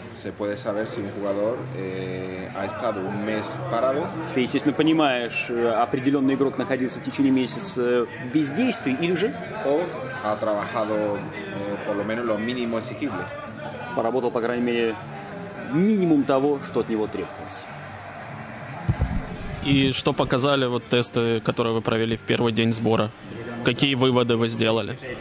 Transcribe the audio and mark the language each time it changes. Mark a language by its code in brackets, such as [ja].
[es] Se puede saber si un jugador ha estado un mes parado. [ru] Ты, естественно, понимаешь, определенный игрок находился в течение месяца без действий или же? [es] O ha trabajado por lo menos lo mínimo exigible. [ru] Поработал, по крайней мере, минимум того, что от него требовалось. И что показали вот тесты, которые вы провели в первый день сбора? Какие выводы вы сделали?